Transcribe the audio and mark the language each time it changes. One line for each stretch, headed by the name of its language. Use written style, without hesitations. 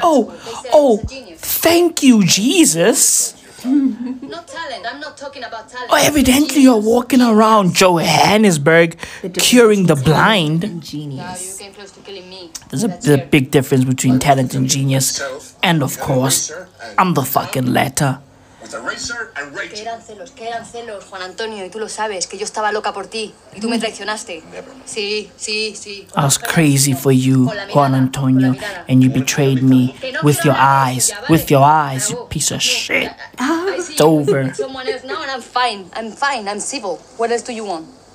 English: Oh, thank you, Jesus. Not talent, I'm not talking about talent. Oh, evidently you're walking around Johannesburg curing the blind. Genius. There's a big difference between talent and genius. And of course, I'm the fucking letter.
Spanish: Que eran celos, Juan Antonio, y tú lo sabes, que yo estaba loca por ti, y tú me traicionaste. Sí.
English: I was crazy for you, Juan Antonio, and you betrayed me with your eyes, you piece of shit. It's over. Someone else now, and I'm fine, I'm civil. What else do you want?